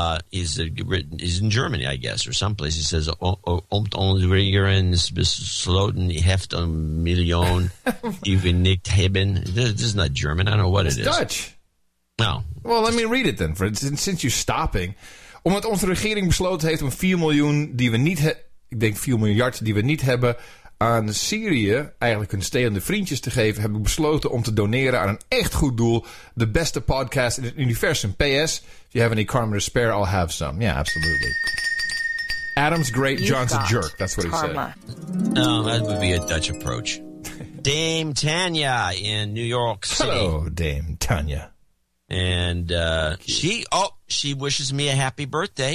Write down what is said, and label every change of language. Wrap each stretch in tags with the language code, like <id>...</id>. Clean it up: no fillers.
<en>He's in Germany, I guess, or someplace. He says, heft a million, even nicht heben. This is not German. I don't know what it's it is. It's Dutch. No. Well, let me read it then, for instance, since you're stopping.</en> <nl>Omdat onze regering besloten heeft om 4 miljoen die we niet hebben, ik denk 4 miljard die we niet hebben, aan Syrië eigenlijk hun stelende vriendjes te geven, heb ik besloten om te doneren aan een echt goed doel, de beste podcast in het universum.</nl> <en>PS, if you have any karma to spare, I'll have some. Yeah, absolutely. Adam's great, John's a jerk. That's what karma. He said. No, that would be a Dutch approach. Dame Tanya in New York City. Hello, Dame Tanya. And she wishes me a happy birthday.</en>